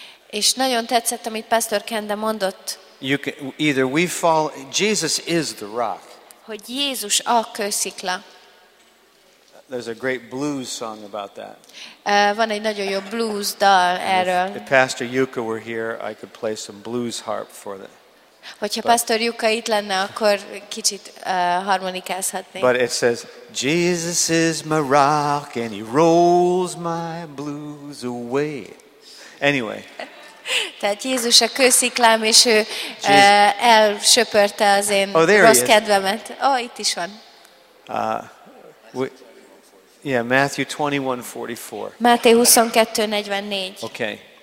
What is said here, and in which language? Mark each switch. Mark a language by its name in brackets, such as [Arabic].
[Hungarian] És nagyon tetszett, amit Pastor Kende mondott. [English] You can, either we fall, Jesus is the rock. [Hungarian] Hogy Jézus a kőszikla. [English] There's a great blues song about that. [Hungarian] Van egy nagyon jó blues dal erről. [English] If Pastor Yuka were here, I could play some blues harp for that. [Hungarian] Hogyha Pastor Yuka itt lenne, akkor kicsit harmonikázhatnék. [English] But it says, Jesus is my rock and he rolls my blues away. Anyway. [Hungarian] Tehát Jézus a kősziklám, és ő elsöpörte az én rossz kedvemet. Oh, itt is van. [English] Yeah, Matthew 21:44. [Hungarian] Máté 22:44. [English] Okay.